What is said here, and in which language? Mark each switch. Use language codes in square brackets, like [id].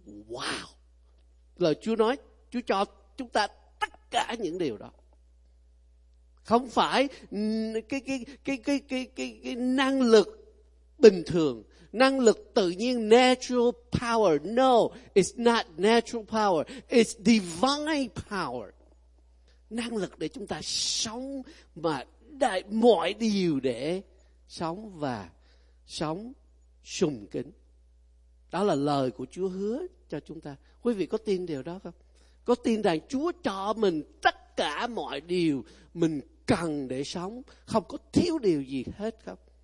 [vi] Wow! Lời Chúa nói, Chúa cho chúng ta tất cả những điều đó. không phải cái năng lực bình thường, năng lực tự nhiên, [en] natural power. No, it's not natural power, it's divine power. [vi] Năng lực để chúng ta sống mà đại mọi điều để sống và sống sùng kính. Đó là lời của Chúa hứa cho chúng ta. Quý vị có tin điều đó không? Có tin rằng Chúa cho mình tất cả mọi điều mình cần để sống, không có thiếu điều gì hết không?